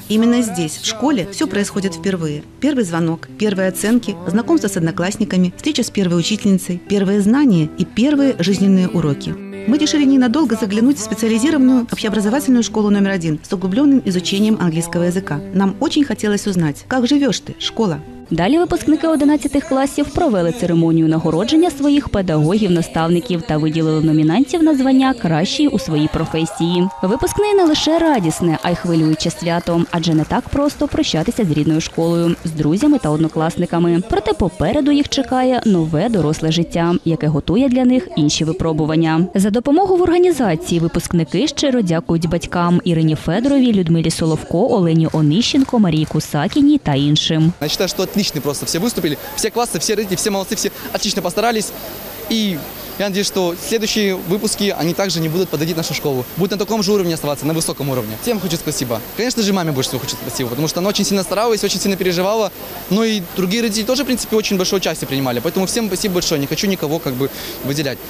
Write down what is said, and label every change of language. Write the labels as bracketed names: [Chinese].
[Russian] Именно здесь, в школе, все происходит впервые. Первый звонок, первые оценки, знакомство с одноклассниками, встреча с первой учительницей, первые знания и первые жизненные уроки. Мы решили ненадолго заглянуть в специализированную общеобразовательную школу номер 1 с углубленным изучением английского языка. Нам очень хотелось узнать, как живешь ты, школа? [Ukrainian] Далі випускники 11 класів провели церемонію нагородження своїх педагогів-наставників та виділили номінантів на звання «Кращий у своїй професії». Випускний не лише радісне, а й хвилююче свято, адже не так просто прощатися з рідною школою, з друзями та однокласниками. Проте попереду їх чекає нове доросле життя, яке готує для них інші випробування. За допомогою в організації випускники щиро дякують батькам Ірині Федоровій, Людмилі Соловко, Олені Онищенко, Марії Кусакіні та іншим. [Russian] Отлично просто, все выступили, все классы, все родители, все молодцы, все отлично постарались. И я надеюсь, что следующие выпуски, они также не будут подводить нашу школу. Будут на таком же уровне оставаться, на высоком уровне. Всем хочу спасибо. Конечно же, маме больше всего хочу спасибо, потому что она очень сильно старалась, очень сильно переживала. Но и другие родители тоже, в принципе, очень большое участие принимали. Поэтому всем спасибо большое, не хочу никого как бы выделять.